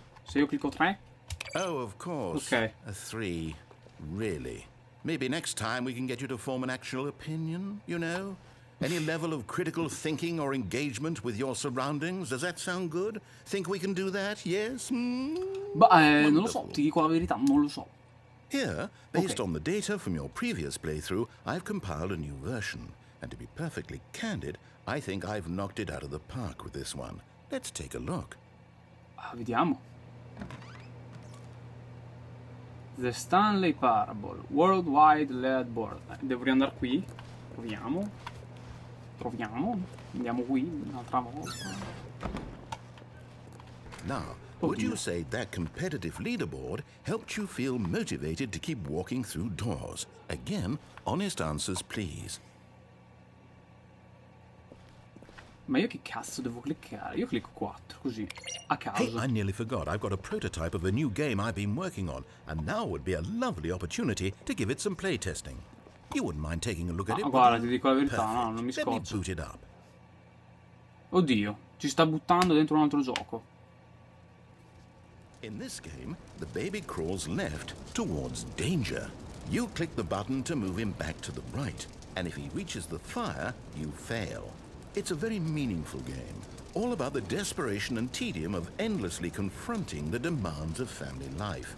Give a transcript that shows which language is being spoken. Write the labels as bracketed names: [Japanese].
[Italian] Se io clicco 3. [English] Oh, of course. Okay. A 3. Really? Maybe next time we can get you to form an actual opinion, you know? Any level of critical thinking or engagement with your surroundings? Does that sound good? Think we can do that? Yes? [Italian] Beh, non lo so, ti dico la verità, non lo so. [English] Here, based on the data from your previous playthrough, I've compiled a new version. And to be perfectly candid, I think I've knocked it out of the park with this one. Let's take a look. [Italian] Vediamo. The Stanley Parable, Worldwide Leaderboard. Dovrei andare qui. Proviamo. Proviamo. Andiamo qui un'altra volta. [English] Now, oddio. Would you say that competitive leaderboard helped you feel motivated to keep walking through doors? Again, honest answers, please. [Italian] Ma io che cazzo devo cliccare? Io clicco 4, così, a caso. [English] Hey, I nearly forgot. I've got a prototype of a new game I've been working on. And now would be a lovely opportunity to give it some playtesting. You wouldn't mind taking a look at it? [Italian] Guarda, ti dico la verità. Perfect. No, non mi scoccio. [English] Let me boot it up. [Italian] Oddio, ci sta buttando dentro un altro gioco. [English] In this game, the baby crawls left towards danger. You click the button to move him back to the right. And if he reaches the fire, you fail. It's a very meaningful game, all about the desperation and tedium of endlessly confronting the demands of family life.